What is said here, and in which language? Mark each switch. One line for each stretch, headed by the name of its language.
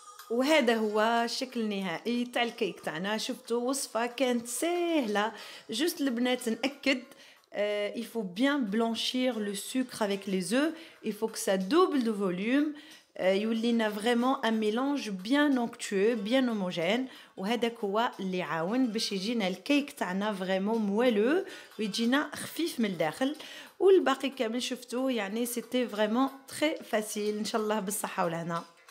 Arabic: وهذا هو الشكل النهائي تاع الكيك تاعنا. شفتوا وصفه كانت سهله جوست البنات ناكد
French: il faut bien blanchir le sucre avec les œufs, il faut que ça double de volume, يولينا فريمون ان ميلانج بيان اونكتيو بيان هوموجين.
Arabic: وهذاك هو اللي عاون باش يجينا الكيك تاعنا فريمون مويلو ويجينا خفيف من الداخل. والباقي كامل شفتوا يعني
French: سيتي فريمون تري فاسيل.
Arabic: ان شاء الله بالصحه ولهنا.